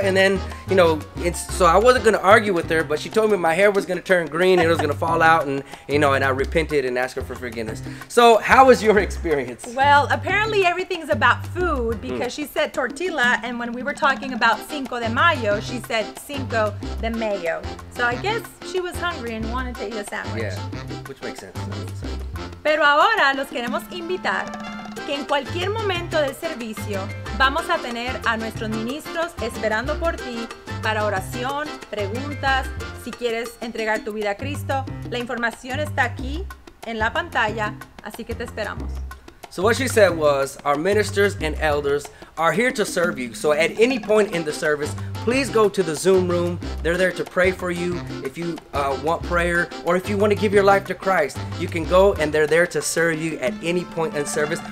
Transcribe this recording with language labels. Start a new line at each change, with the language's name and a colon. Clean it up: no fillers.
English: And then, you know, it's, so I wasn't going to argue with her, but she told me my hair was going to turn green and it was going to fall out. And, you know, and I repented and asked her for forgiveness. So how was your experience? Well, apparently everything's about food, because she said tortilla. And when we were talking about Cinco de Mayo, she said Cinco de Mayo. So I guess she was hungry and wanted to eat a sandwich. Yeah, which makes sense.
Spanish: Pero ahora los queremos invitar que en cualquier momento del servicio vamos a tener a nuestros ministros esperando por ti para oración, preguntas, si quieres entregar tu vida a Cristo. La información está aquí en la pantalla, así que te esperamos.
English: So what she said was, our ministers and elders are here to serve you. So at any point in the service, please go to the Zoom room. They're there to pray for you if you want prayer, or if you want to give your life to Christ. You can go, and they're there to serve you at any point in service.